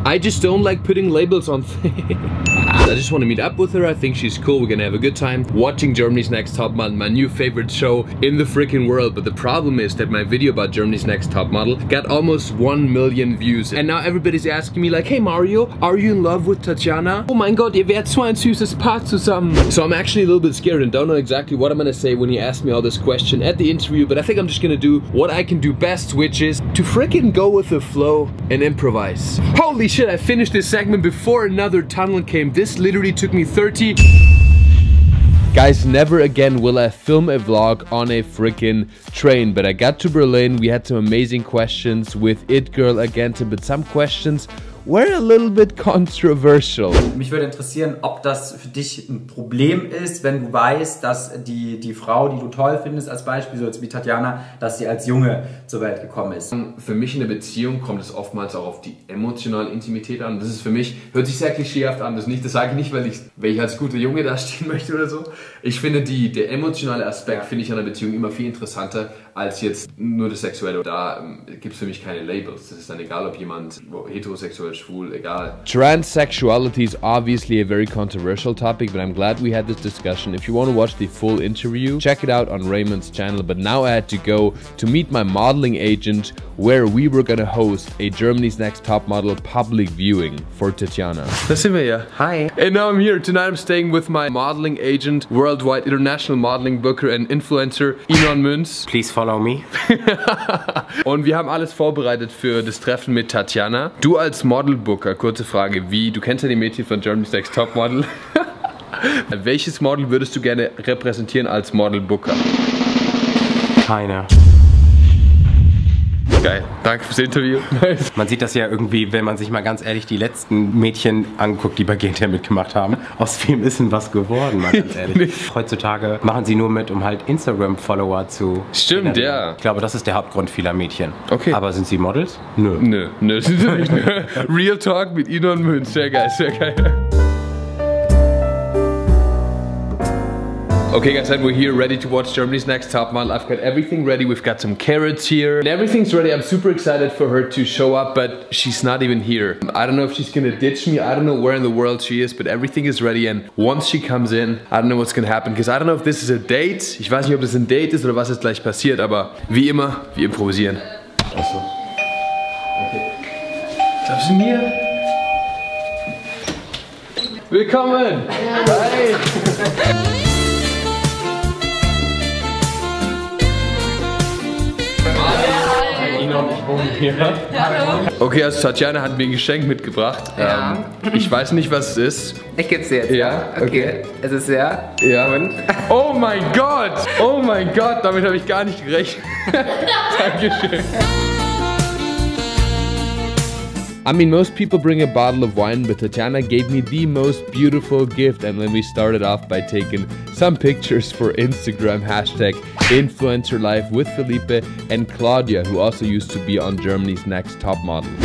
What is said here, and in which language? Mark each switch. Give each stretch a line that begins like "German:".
English: I just don't like putting labels on things. I just want to meet up with her. I think she's cool. We're gonna have a good time watching Germany's Next Top Model, my new favorite show in the freaking world. But the problem is that my video about Germany's Next Top Model got almost 1 million views. And now everybody's asking me like, hey Mario, are you in love with Tatjana? Oh my god,
German: ihr werdet zwei süßes Paar zusammen.
English: So I'm actually a little bit scared and don't know exactly what I'm gonna say when he asked me all this question at the interview. But I think I'm just gonna do what I can do best, which is to freaking go with the flow and improvise. Holy shit, I finished this segment before another tunnel came. This literally took me 30. Guys, never again will I film a vlog on a freaking train. But I got to Berlin, we had some amazing questions with itgirlagenten, but some questions were a little bit controversial.
German: Mich würde interessieren, ob das für dich ein Problem ist, wenn du weißt, dass die Frau, die du toll findest, als Beispiel, so jetzt wie Tatjana, dass sie als Junge zur Welt gekommen ist. Für mich in der Beziehung kommt es oftmals auch auf die emotionale Intimität an. Das ist für mich, hört sich sehr klischeehaft an, das sage ich nicht, weil ich als guter Junge dastehen möchte oder so. Ich finde, der emotionale Aspekt finde ich an der Beziehung immer viel interessanter als jetzt nur das Sexuelle. Da gibt es für mich keine Labels. Das ist dann egal, ob jemand heterosexuell, schwul, egal.
English: Transsexuality is obviously a very controversial topic, but I'm glad we had this discussion. If you want to watch the full interview, check it out on Raymond's channel. But now I had to go to meet my modeling agent, where we were gonna host a Germany's Next Top Model public viewing for Tatjana.
German: Da sind wir ja. Hi.
English: And now I'm here. Tonight I'm staying with my modeling agent, worldwide international modeling booker and influencer, Adrion Münz. Please follow me.
German: Und wir haben alles vorbereitet für das Treffen mit Tatjana. Du als Model Booker, kurze Frage, wie, du kennst ja die Mädchen von Germany's Next Top Model. Welches Model würdest du gerne repräsentieren als Model Booker? Keine. Geil, danke fürs Interview. Man sieht das ja irgendwie, wenn man sich mal ganz ehrlich die letzten Mädchen anguckt, die bei GNTM mitgemacht haben. Aus wem ist denn was geworden, mal ganz ehrlich. Heutzutage machen sie nur mit, um halt Instagram-Follower zu... Stimmt, generieren. Ja. Ich glaube, das ist der Hauptgrund vieler Mädchen. Okay. Aber sind sie Models? Nö. Nö, nö, sind sie nicht. Real Talk mit Adrion Münz. Sehr geil, sehr geil.
English: Okay, guys, and we're here ready to watch Germany's Next Top Model. I've got everything ready. We've got some carrots here and everything's ready. I'm super excited for her to show up, but she's not even here. I don't know if she's gonna ditch me. I don't know where in the world she is, but everything is ready. And once she comes in, I don't know what's gonna happen because I don't know if this is a date.
German: Ich weiß nicht, ob das ein Date ist oder was jetzt gleich passiert, aber wie immer, wir improvisieren. Achso. Okay. Darf ich ihn hier? Willkommen! Ja. Hi! Ja. Okay, also Tatjana hat mir ein Geschenk mitgebracht. Ja. Ich weiß nicht, was es ist. Ich gebe es dir jetzt. Ja? Okay. Es ist ja. Ja. Und? Oh mein Gott! Oh mein Gott, damit habe ich gar nicht gerechnet. Dankeschön.
English: I mean, most people bring a bottle of wine, but Tatjana gave me the most beautiful gift. And then we started off by taking some pictures for Instagram, hashtag influencerlife with Felipe and Claudia, who also used to be on Germany's Next Top Model.